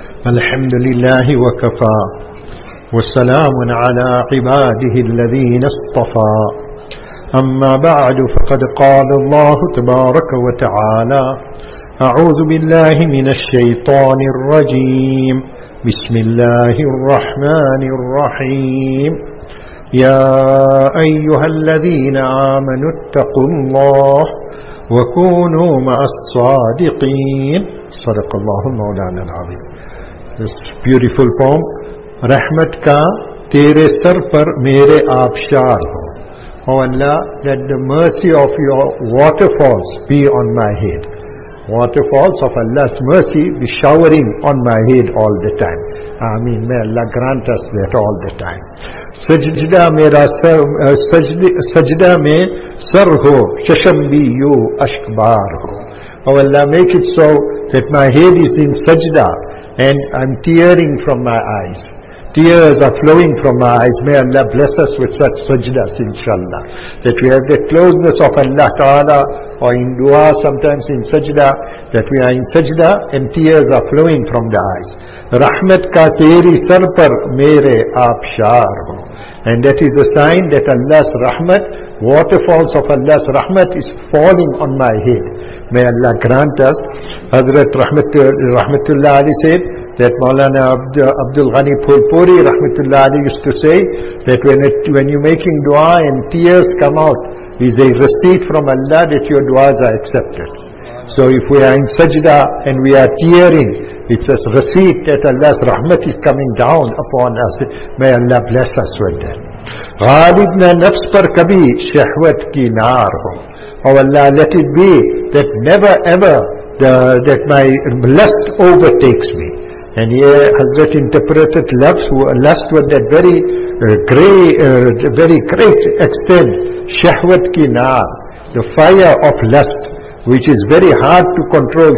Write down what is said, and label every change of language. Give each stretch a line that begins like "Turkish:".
Arabic: الحمد للہ وکفا والسلام على عباده الذين اصطفى أما بعد فقد قال الله تبارك وتعالى أعوذ بالله من الشيطان الرجيم بسم الله الرحمن الرحيم يا أيها الذين آمنوا اتقوا الله وكونوا مع الصادقين صدق الله مولانا العظيم.
English: This beautiful poem.
Urdu: رحمت کا تیرے سر پر میرے آبشار ہو.
English: او Allah, let the mercy of your waterfalls be on my head. Waterfalls of Allah's mercy be showering on my head all the time. Ameen. May Allah grant us that all the time.
Urdu: سجدہ میرا سجدہ میں سر ہو ششم بھی you اشک بار ہو.
English: او Allah, make it so that my head is in sajda and I'm tearing from my eyes. Tears are flowing from my eyes. May Allah bless us with such sajdas, inshallah. That we have the closeness of Allah Ta'ala, or in dua sometimes in sajda, that we are in sajda and tears are flowing from the eyes.
Urdu: Rahmat ka teri sar par mere aabshaar ho.
English: And that is a sign that Allah's rahmat, waterfalls of Allah's rahmat is falling on my head. May Allah grant us. Hazrat Rahmatullah Ali said, that Maulana Abdul Ghani Phulpuri Rahmatullah Ali used to say that when you're making dua and tears come out, is a receipt from Allah that your duas are accepted. So if we are in sajda and we are tearing, it's a receipt that Allah's rahmat is coming down upon us. May Allah bless us with that.
Urdu: غالب نہ نفس پر کبھی شہوت کی نار ہو.
English: Oh Allah, let it be that never ever that my lust overtakes me. And here Hazrat interpreted lust with that very great extent,
Urdu: shahwat ki naar,
English: the fire of lust, which is very hard to control.